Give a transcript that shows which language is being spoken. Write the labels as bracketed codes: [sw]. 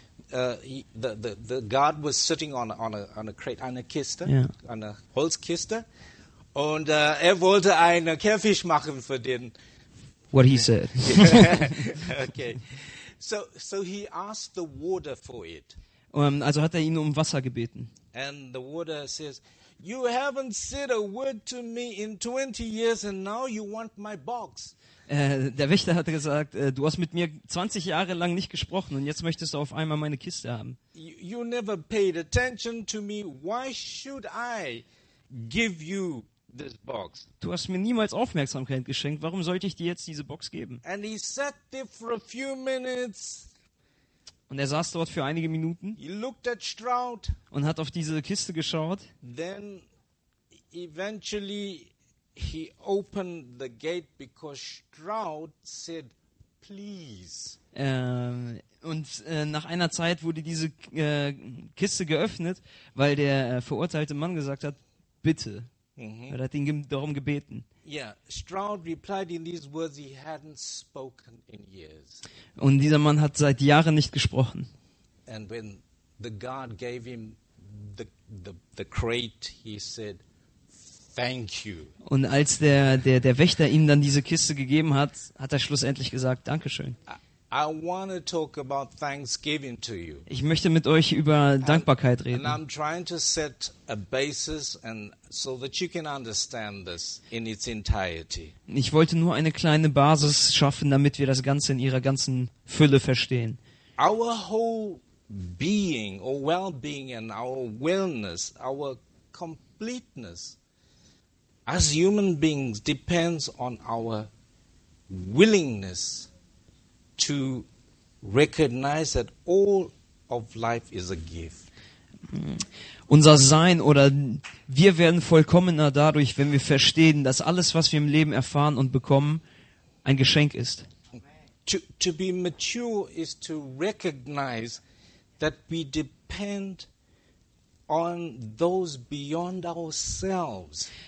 [en] The guard was sitting on a crate, on a kiste, on a Holzkiste, [de] und wollte eine Käfig machen für den. [en] What he said. Okay, so he asked the warder for it. [de] Also hat ihn um Wasser gebeten. [en] And the warder says, "You haven't said a word to me in 20 years, and now you want my box." [de] Der Wächter hatte gesagt, du hast mit mir 20 Jahre lang nicht gesprochen und jetzt möchtest du auf einmal meine Kiste haben. [en] You never paid attention to me. Why should I give you this box? [de] Du hast mir niemals Aufmerksamkeit geschenkt. Warum sollte ich dir jetzt diese Box geben? [en] And he sat there for a few minutes. [de] Und er saß dort für einige Minuten. [en] He looked at Stroud. [de] Und hat auf diese Kiste geschaut. [en] Then eventually he opened the gate because Stroud said, please. [de] Und nach einer Zeit wurde diese Kiste geöffnet, weil der verurteilte Mann gesagt hat, bitte. Mm-hmm. Er hat ihn darum gebeten. [en] Yeah, Stroud replied in these words he hadn't spoken in years. [de] Und dieser Mann hat seit Jahren nicht gesprochen. [en] And when the guard gave him the crate, he said, thank you. [de] Und als der Wächter ihm dann diese Kiste gegeben hat, hat er schlussendlich gesagt, Dankeschön. [en] I want to talk about Thanksgiving to you. [de] Ich möchte mit euch über Dankbarkeit reden. [en] And I'm trying to set a basis and so that you can understand this in its entirety. [de] Ich wollte nur eine kleine Basis schaffen, damit wir das Ganze in ihrer ganzen Fülle verstehen. [en] Our whole being or well-being and our wellness, our completeness as human beings depends on our willingness to recognize that all of life is a gift. [de] Unser Sein oder wir werden vollkommener dadurch, wenn wir verstehen, dass alles, was wir im Leben erfahren und bekommen, ein Geschenk ist. [en] To be mature is to recognize that we depend on those beyond ourselves.